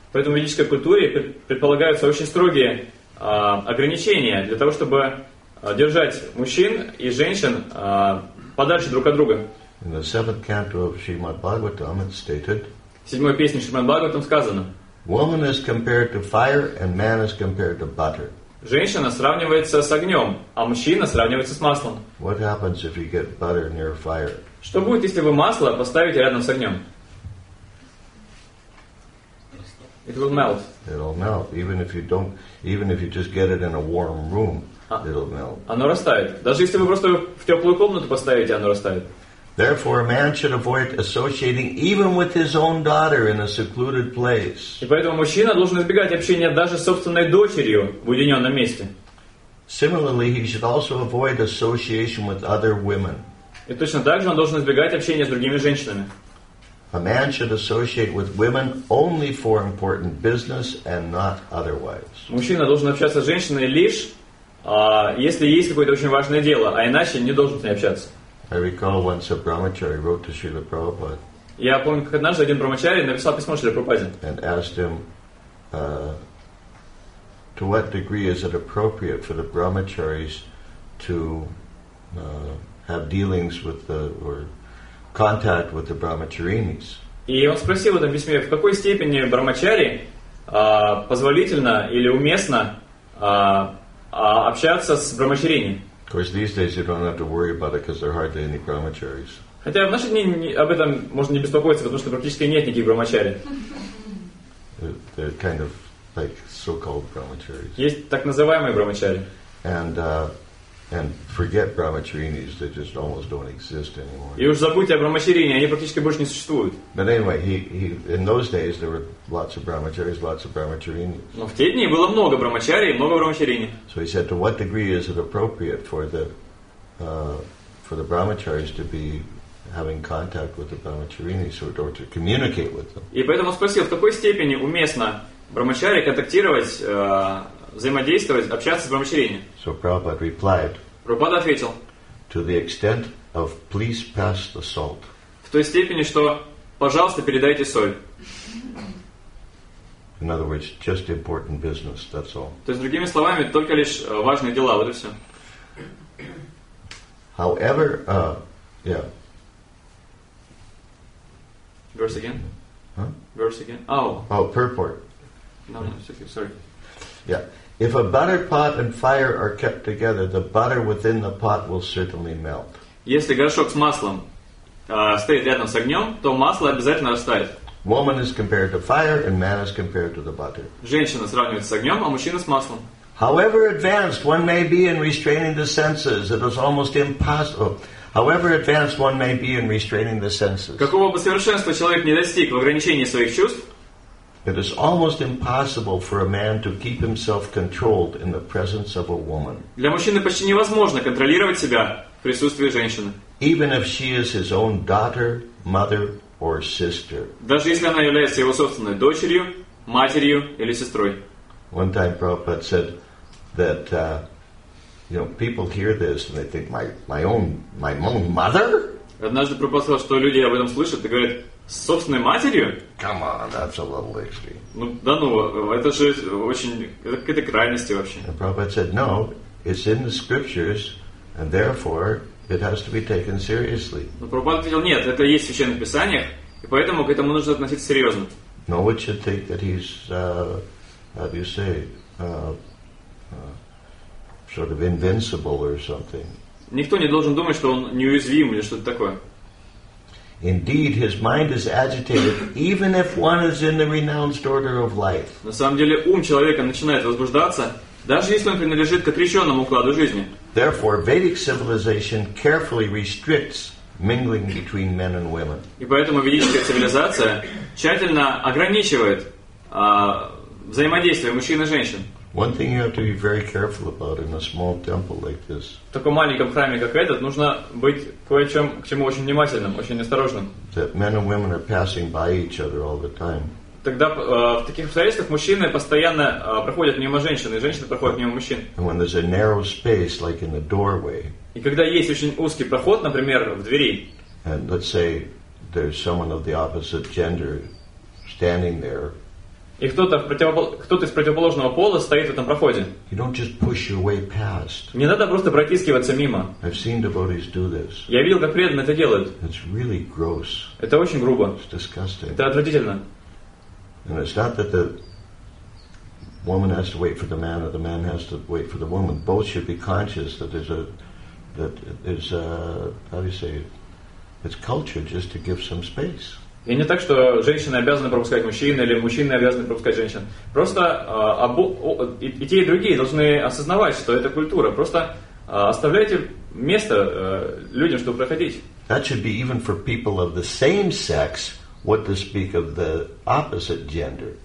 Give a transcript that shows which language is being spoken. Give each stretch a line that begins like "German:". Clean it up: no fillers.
Russian: Поэтому в ведической культуре предполагаются очень строгие ограничения для того, чтобы держать мужчин и женщин подальше друг от друга.
English: In the seventh canto of Srimad Bhagavatam, it's stated.
Russian: В седьмой песне Шримад Бхагаватам сказано.
English: Woman is compared to fire, and man is compared to butter.
Russian: Женщина сравнивается с огнем, а мужчина сравнивается с маслом.
English: What happens if you get butter near fire?
Russian: Что будет, если вы масло поставите рядом с огнем?
English: It will melt. It'll melt, even if you just get it in a warm room, it'll melt.
Russian: Оно растает. Даже если вы просто в теплую комнату поставите, оно растает.
English: Therefore, a man should avoid associating even with his own daughter in a secluded place.
Russian: И поэтому мужчина должен избегать общения даже с собственной дочерью в уединенном месте.
English: Similarly, he should also avoid association with other women.
Russian: И точно так же он должен избегать общения с другими женщинами.
English: A man should associate with women only for important business and not otherwise.
Russian: Мужчина должен общаться с женщиной лишь, если есть какое-то очень важное дело, а иначе не должен с ней общаться.
English: I recall once a brahmachari wrote to Srila Prabhupada.
Russian: Я помню, как однажды один брахмачари написал письмо Шриле Прабхупаде.
English: And asked him, to what degree is it appropriate for the brahmacharis to have dealings with the or contact with the brahmacharinis?
Russian: И он спросил в этом письме, в какой степени брахмачари позволительно или уместно общаться с брахмачарини?
English: Of course, these days you don't have to worry about it because there are hardly any brahmacharis.
Russian: Хотя в наши дни об этом можно не беспокоиться, потому что практически нет никаких брахмачари.
English: They're kind of like so-called brahmacharis.
Russian: Есть так называемые брахмачари.
English: And forget brahmacharinis; they just almost don't exist anymore.
Russian: И уж забудьте о брахмачарине, они практически больше не существуют.
English: But anyway, he in those days there were lots of brahmacharis, lots of brahmacharinis.
Russian: Но в те дни было много брахмачарий, много брахмачарини.
English: So he said, to what degree is it appropriate for the brahmacharis to be having contact with the brahmacharinis or to communicate with them?
Russian: И поэтому спросил, в какой степени уместно брахмачари контактировать? Взаимодействовать, общаться с брахмачарини.
English: So Prabhupada replied.
Russian: Прабхупада ответил.
English: To the extent of please pass the salt.
Russian: В той степени, что пожалуйста, передайте соль.
English: In other words, just important business, that's all.
Russian: То есть, другими словами, только лишь важные дела, вот и все.
English: However, Verse again? Purport. No, sorry. Yeah. If a butter pot and fire are kept together, the butter within the pot will certainly melt.
Russian: Если горшок с маслом стоит рядом с огнем, то масло обязательно растает.
English: Woman is compared to fire and man is compared to the butter.
Russian: Женщина сравнивается с огнем, а мужчина с маслом.
English: However advanced one may be in restraining the senses, it is almost impossible. However advanced one may be in restraining the senses.
Russian: Какого бы совершенства человек не достиг в ограничении своих чувств,
English: it is almost impossible for a man to keep himself controlled in the presence of a woman.
Russian: Для мужчины почти невозможно контролировать себя в присутствии женщины.
English: Even if she is his own daughter, mother, or sister.
Russian: Даже если она является его собственной дочерью, матерью или сестрой.
English: One time Prabhupada said that people hear this and they think my own mother?
Russian: Однажды Прабхупада сказал, что люди об этом слышат и говорят: с собственной матерью?
English: Come on, that's a little extreme.
Russian: Ну да ну, это же очень, это какие-то крайности вообще.
English: And Prabhupada said, no, it's in the scriptures, and therefore it has to be taken seriously.
Russian: Но Прабхупада ответил, нет, это есть в священных писаниях, и поэтому к этому нужно относиться серьезно.
English: No one should think that he's, sort of invincible or something.
Russian: Никто не должен думать, что он неуязвим или что-то такое.
English: Indeed, his mind is agitated, even if one is in the renounced order of life.
Russian: На самом деле, ум человека начинает возбуждаться, даже если он принадлежит к отреченному укладу жизни.
English: Therefore, Vedic civilization carefully restricts mingling between men and women.
Russian: И поэтому ведическая цивилизация тщательно ограничивает взаимодействие мужчин и женщин.
English: One thing you have to be very careful about in a small temple like this.
Russian: В таком маленьком храме, как этот, нужно быть кое-чем, к чему очень внимательным, очень осторожным.
English: That men and women are passing by each other all the time.
Russian: Тогда в таких обстоятельствах мужчины постоянно проходят мимо женщин, и женщины проходят мимо мужчин.
English: And when there's a narrow space, like in the doorway.
Russian: И когда есть очень узкий проход, например, в двери.
English: And let's say there's someone of the opposite gender standing there.
Russian: И кто-то из противоположного пола стоит в этом проходе.
English: You don't just push your way past.
Russian: Не надо просто протискиваться мимо.
English: I've seen devotees do this.
Russian: Я видел, как преданные это делают.
English: It's really gross.
Russian: Это очень грубо.
English: It's disgusting.
Russian: Это отвратительно.
English: And it's not that the woman has to wait for the man, or the man has to wait for the woman. Both should be conscious that it's culture just to give some space.
Russian: И не так, что женщины обязаны пропускать мужчин, или мужчины обязаны пропускать женщин. Просто и те, и другие должны осознавать, что это культура. Просто оставляйте место людям, чтобы проходить.
English: That should be even for people of the same sex, what to speak of the opposite gender.